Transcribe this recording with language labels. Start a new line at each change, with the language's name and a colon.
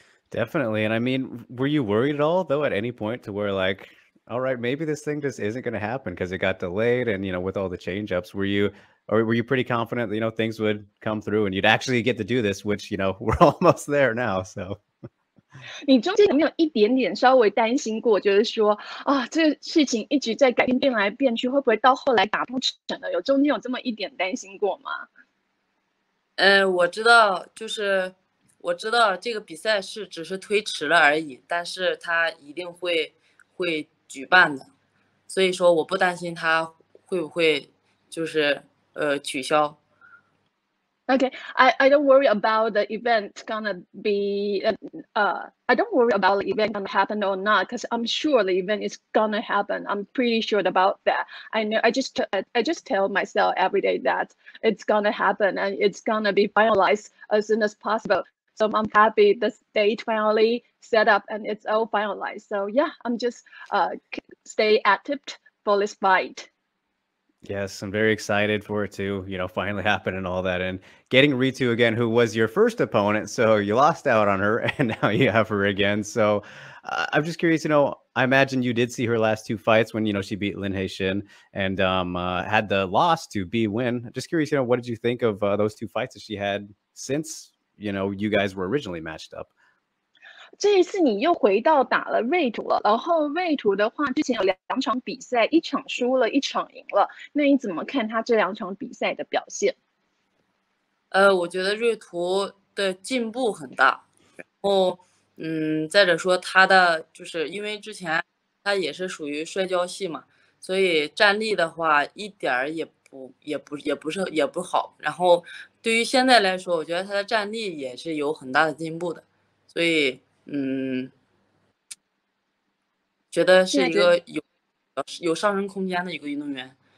English: Definitely. And I mean, were you worried at all though at any point to where like, all right, maybe this thing just isn't going to happen because it got delayed and, you know, with all the change-ups, were you pretty confident that, you know, things would come through and you'd actually get to do this, which, you know, we're almost there now, so.
Chinese: 你中间有没有一点点稍微担心过，就是说啊，这个事情一直在改变，变来变去，会不会到后来打不成了？有中间有这么一点担心过吗？我知道，就是我知道这个比赛是只是推迟了而已，但是他一定会举办的，所以说我不担心他会不会就是取消。
English: Okay, I don't worry about the event gonna be, I don't worry about the event gonna happen or not, because I'm sure the event is gonna happen. I'm pretty sure about that. I know, I just tell myself every day that it's gonna happen and it's gonna be finalized as soon as possible. So I'm happy the date finally set up and it's all finalized. So yeah, I'm just stay active for this fight. Yes, I'm very excited for it to, you know, finally happen and all that. And getting Ritu again, who was your first opponent, so you lost out on her, and now you have her again. So I'm just curious, you know, I imagine you did see her last two fights when, you know, she beat Lin Heixin and had the loss to B Win. Just curious, you know, what did you think of those two fights that she had since, you know, you guys were originally matched up?
Chinese: 这一次你又回到打了瑞图了，然后瑞图的话之前有两场比赛，一场输了一场赢了，那你怎么看他这两场比赛的表现？我觉得瑞图的进步很大，然后再者说他的就是因为之前他也是属于摔跤系嘛，所以站立的话一点也不好，然后对于现在来说我觉得他的站立也是有很大的进步的，所以觉得是一个有上升空间的一个运动员。